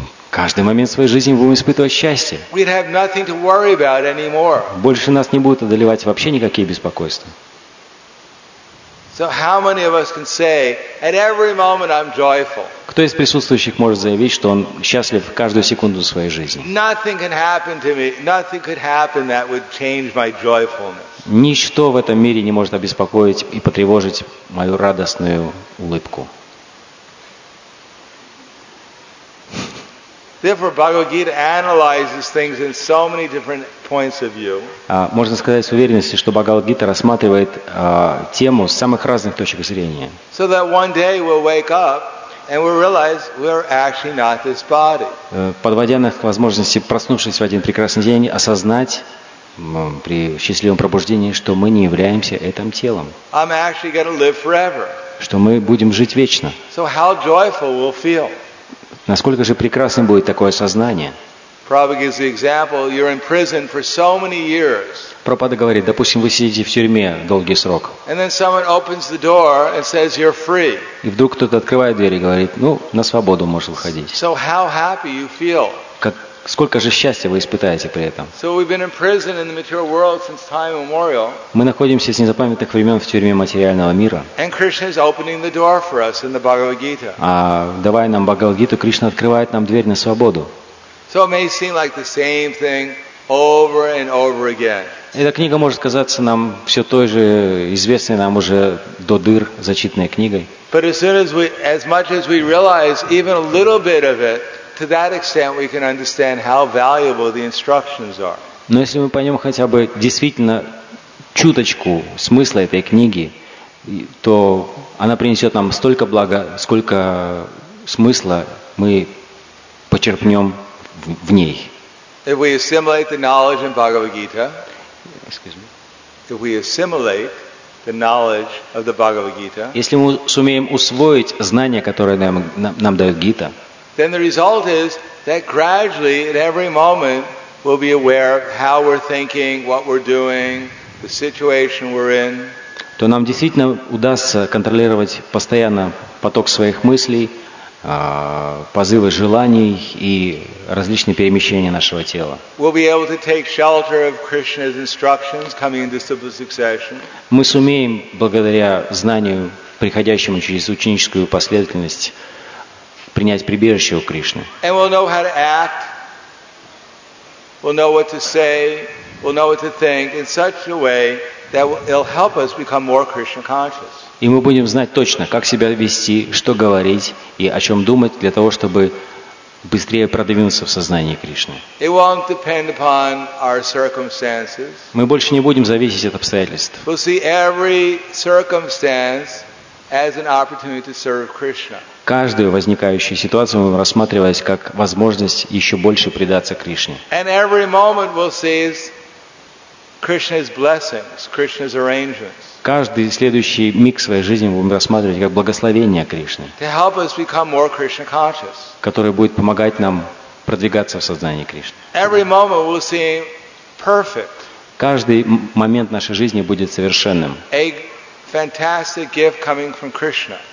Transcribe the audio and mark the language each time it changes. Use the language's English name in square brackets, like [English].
[Russian] Каждый момент своей жизни будем испытывать счастье. [English] We'd have nothing to worry about anymore. [Russian] Больше нас не будут одолевать вообще никакие беспокойства. [English] So how many of us can say, at every moment I'm joyful? [Russian] Кто из присутствующих может заявить, что он счастлив каждую секунду своей жизни? [English] Nothing can happen to me. Nothing could happen that would change my joyfulness. [Russian] Ничто в этом мире не может обеспокоить и потревожить мою радостную улыбку. [English] Therefore, Bhagavad Gita analyzes things in so many different points of view. [Russian] Можно сказать с уверенностью, что Бхагавад Гита рассматривает тему с самых разных точек зрения. [English] So that one day we'll wake up and we'll realize we're actually not this body. [Russian] Подводя нас к возможности проснувшись в один прекрасный день, осознать при счастливом пробуждении, что мы не являемся этим телом. [English] I'm actually going to live forever. [Russian] Что мы будем жить вечно. [English] So how joyful we'll feel. [Russian] Насколько же прекрасным будет такое сознание? Прабхупада говорит, допустим, вы сидите в тюрьме долгий срок. И вдруг кто-то открывает дверь и говорит, ну, на свободу можешь выходить. [English] So how happy you feel. [Russian] Как, сколько же счастья вы испытаете при этом? [English] So we've been in prison in the material world since time immemorial. [Russian] Мы находимся с незапамятных времен в тюрьме материального мира. [English] And Krishna is opening the door for us in the Bhagavad Gita. [Russian] А давая нам Бхагавад Гиту, Кришна открывает нам дверь на свободу. [English] So it may seem like the same thing over and over again. [Russian] Эта книга может казаться нам все той же известной нам уже до дыр зачитанной книгой. [English] But as much as we realize even a little bit of it. To that extent, we can understand how valuable the instructions are. [Russian] Но если мы поймем хотя бы действительно чуточку смысла этой книги, то она принесет нам столько блага, сколько смысла мы почерпнем в ней. [English] If we assimilate the knowledge in Bhagavad Gita, excuse me, if we assimilate the knowledge of the Bhagavad Gita, [Russian] если мы сумеем усвоить знания, которые нам дает Гита. [English] Then the result is that gradually, at every moment, we'll be aware of how we're thinking, what we're doing, the situation we're in. [Russian] То нам действительно удастся контролировать постоянно поток своих мыслей, позывы желаний и различные перемещения нашего тела. [English] We'll be able to take shelter of Krishna's instructions coming in disciplic succession. [Russian] Мы сумеем, благодаря знанию, приходящему через ученическую последовательность, принять прибежище у Кришны. [English] And we'll know how to act, we'll know what to say, we'll know what to think in such a way that it'll help us become more Krishna conscious. [Russian] И мы будем знать точно, как себя вести, что говорить и о чем думать для того, чтобы быстрее продвинуться в сознании Кришны. [English] It won't depend upon our circumstances. [Russian] Мы больше не будем зависеть от обстоятельств. [English] We'll see every circumstance as an opportunity to serve Krishna. [Russian] Каждую возникающую ситуацию мы рассматриваем как возможность еще больше предаться Кришне. [English] And every moment we'll see is Krishna's blessings, Krishna's arrangements. [Russian] Каждый следующий миг своей жизни будем рассматривать как благословение Кришны. [English] To help us become more Krishna conscious. [Russian] Которое будет помогать нам продвигаться в сознании Кришны. [English] Every moment we'll see perfect. [Russian] Каждый момент нашей жизни будет совершенным. [English] A fantastic gift coming from Krishna.